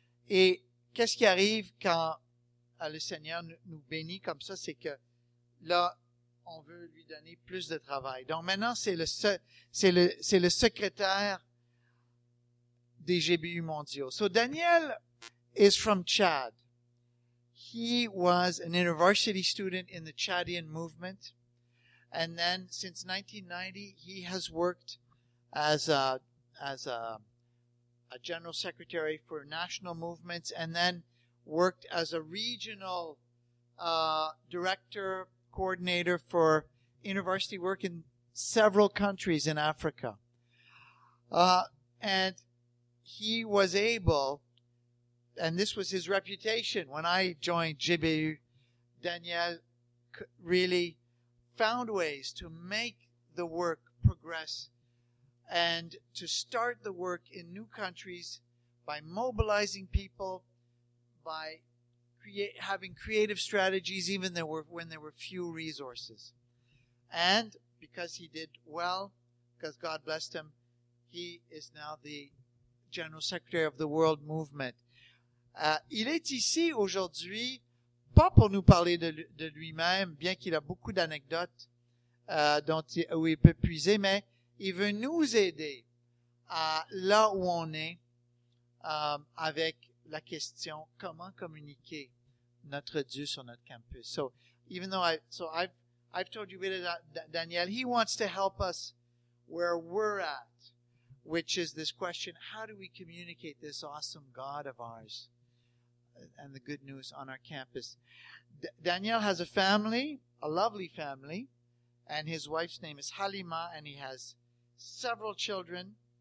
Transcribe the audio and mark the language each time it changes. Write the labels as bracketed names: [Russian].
[French] Et qu'est-ce qui arrive quand le Seigneur nous bénit comme ça? C'est que là, on veut lui donner plus de travail. Donc maintenant, c'est le secrétaire des GBU mondiaux. [English] So Daniel is from Chad. He was an university student in the Chadian movement. And then since 1990, he has worked as a general secretary for national movements and then worked as a regional director, coordinator for university work in several countries in Africa. And he was able, and this was his reputation, when I joined GBU, Daniel really found ways to make the work progress and to start the work in new countries by mobilizing people, by having creative strategies even when there were few resources. And because he did well, because God blessed him, he is now the General Secretary of the World Movement. [French] Il est ici aujourd'hui pas pour nous parler de lui-même, bien qu'il a beaucoup d'anecdotes où il peut puiser, mais il veut nous aider à là où on est avec la question comment communiquer notre Dieu sur notre campus. [English] So even though I've told you a bit about Daniel, he wants to help us where we're at, which is this question: how do we communicate this awesome God of ours and the good news on our campus? Daniel has a family, a lovely family, and his wife's name is Halima, and he has several children.